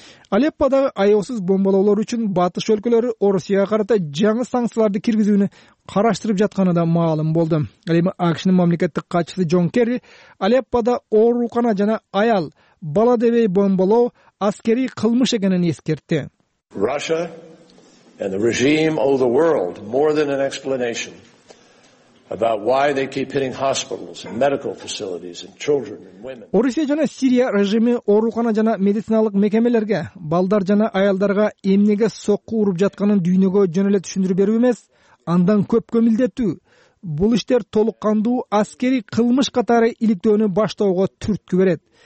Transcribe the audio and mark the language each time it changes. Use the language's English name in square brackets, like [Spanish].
[Kyrgyz] Алеппадагы аяусуз бомболоолор үчүн батыш өлкөлөрү Орусияга карата жаңы санкцияларды киргизүүнү караштырып жатканы да маалым болду. Ал эми АКШнын мамлекеттик катчысы Джон Керри Алеппада оорукана жана аял бала дебей бомболоо аскерий кылмыш экенин эскертти. [English] Russia and the regime owe the world more than an explanation about why they keep hitting hospitals and medical facilities and children and women. [Kyrgyz] Орусия жана Сирия режими оорукана жана медициналык мекемелерге балдар жана аялдарга эмнеге сокку уруп жатканын дүйнөгө жөн эле түшүндүрүп берүү эмес, андан көпкө милдеттүү. Бул иштер толук кандуу аскерий кылмыш катары иликтөөнү баштоого түрткү берет.